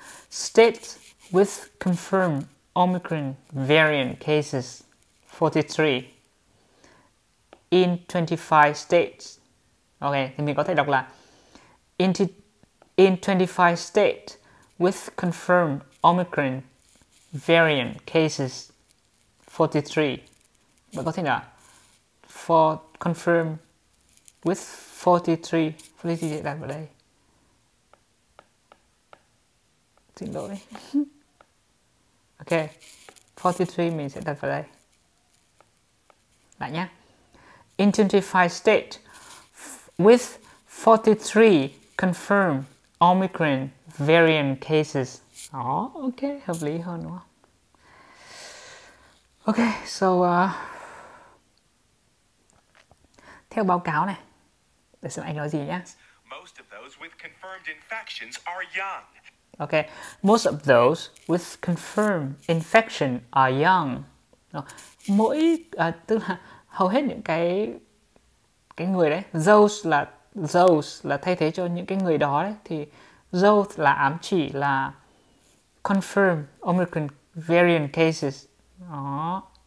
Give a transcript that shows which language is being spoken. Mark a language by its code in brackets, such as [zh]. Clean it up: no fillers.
[en] States with confirmed Omicron variant cases, 43 in 25 states. [vi] Ok, thì mình có thể đọc là [en] in 25 states with confirmed Omicron variant cases, 43. [vi] Bạn có thể là [en] for confirm with 43 [vi] là vào đây. Xin lỗi. Ok, 43 mình sẽ đặt vào đây. Lại nhé. [en] In 25 state with 43 confirmed Omicron variant cases. [vi] Oh, ok, hợp lý hơn đúng không? Ok, so theo báo cáo này, để xem anh nói gì nhé. [en] Most of those with confirmed infections are young. Ok, most of those with confirmed infection are young. [vi] Mỗi, tức là hầu hết những cái người đấy, those là thay thế cho những cái người đó đấy, thì those là ám chỉ là confirmed Omicron variant cases. Đó.